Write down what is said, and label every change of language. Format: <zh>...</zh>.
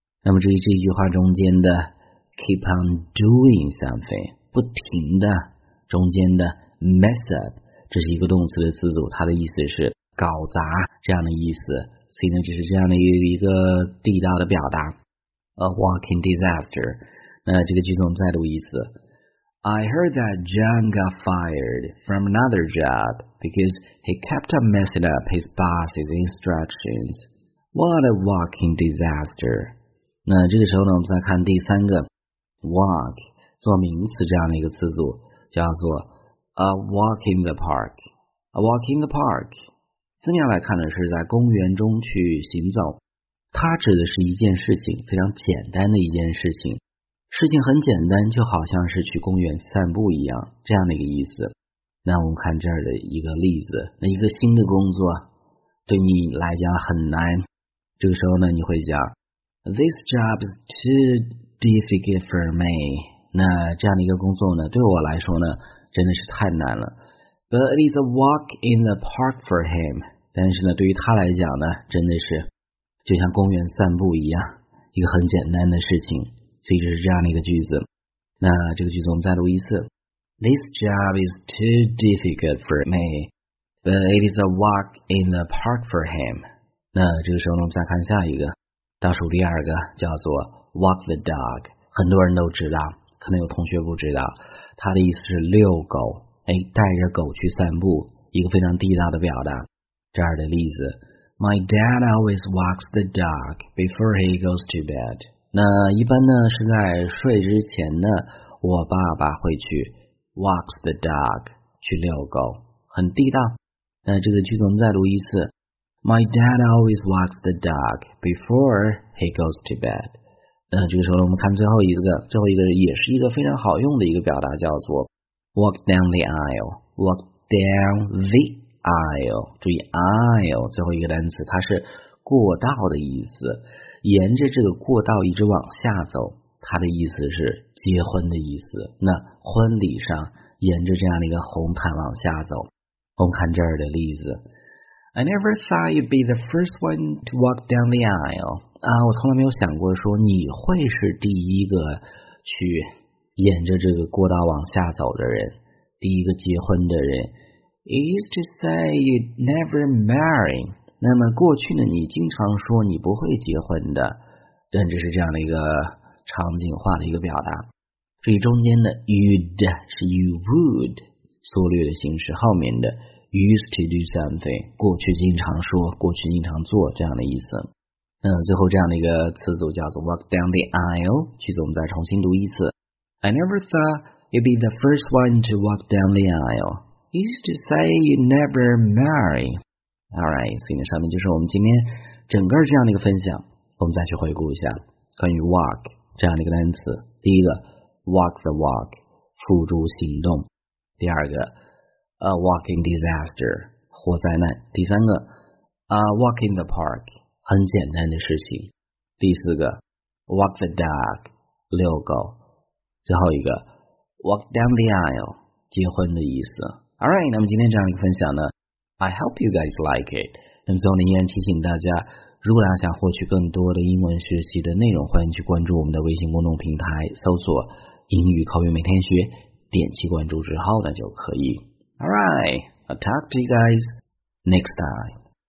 <zh>那么注意这一句话中间的 keep on doing something。不停的中间的 mess up， 这是一个动词的词组，它的意思是搞砸这样的意思，所以呢这是这样的一个地道的表达 a walking disaster。那这个句子我们再读一次</zh> <en>I heard that John got fired from another job because he kept on messing up his boss's instructions. What a walking disaster。</en> <zh>那这个时候呢我们再看第三个 walk做名词这样的一个词组，叫做 a walk in the park。 a walk in the park 字面来看呢是在公园中去行走，它指的是一件事情，非常简单的一件事情，事情很简单，就好像是去公园散步一样，这样的一个意思。那我们看这儿的一个例子，那一个新的工作对你来讲很难，这个时候呢你会讲</zh> <en>This job is too difficult for me。</en> <zh>那这样的一个工作呢对我来说呢真的是太难了。</zh> <en>But it is a walk in the park for him.</en> <zh>但是呢对于他来讲呢真的是就像公园散步一样，一个很简单的事情。所以就是这样的一个句子。那这个句子我们再读一次。</zh> <en>This job is too difficult for me. But it is a walk in the park for him.</en> <zh>那这个时候呢我们再看下一个。倒数第二个叫做 walk the dog。很多人都知道。可能有同学不知道，他的意思是遛狗，哎，带着狗去散步，一个非常地道的表达。这儿的例子</zh> <en>，My dad always walks the dog before he goes to bed。</en> <zh>那一般呢是在睡之前呢，我爸爸会去 walks the dog 去遛狗，很地道。那这个句子我们再读一次</zh> <en>，My dad always walks the dog before he goes to bed。</en> <zh>这个时候我们看最后一个，最后一个也是一个非常好用的一个表达，叫做 walk down the aisle。 walk down the aisle， 注意 aisle 最后一个单词它是过道的意思。沿着这个过道一直往下走，它的意思是结婚的意思。那婚礼上沿着这样的一个红毯往下走，我们看这儿的例子。</zh> <en>I never thought you'd be the first one to walk down the aisle.</en> <zh>啊，我从来没有想过说你会是第一个去沿着这个过道往下走的人，第一个结婚的人。</zh> <en>It used to say you'd never marry.</en> <zh>那么过去呢，你经常说你不会结婚的，但这是这样的一个场景化的一个表达。这中间的 you'd 是 you would 缩略的形式，后面的used to do something 过去经常说，过去经常做，这样的意思。最后这样的一个词组叫做 walk down the aisle， 句子我们再重新读一次。</zh> <en>I never thought you'd be the first one to walk down the aisle. You used to say you'd never marry.</en> <zh>Alright， 所以上面就是我们今天整个这样的一个分享。我们再去回顾一下关于 walk 这样的一个单词。第一个 walk the walk， 付诸行动。第二个A walking disaster， 火灾难。第三个 ，A walk in the park， 很简单的事情。第四个 ，Walk the dog， 遛狗。最后一个 ，Walk down the aisle， 结婚的意思。</zh> <en>All right，</en> <zh>那么今天这样一个分享呢</zh> <en>，I hope you guys like it。</en> <zh>那么最后呢，依然提醒大家，如果大家想获取更多的英文学习的内容，欢迎去关注我们的微信公众平台，搜索“英语口语每天学”，点击关注之后呢，就可以。</zh> <en>Alright, I'll talk to you guys next time.</en>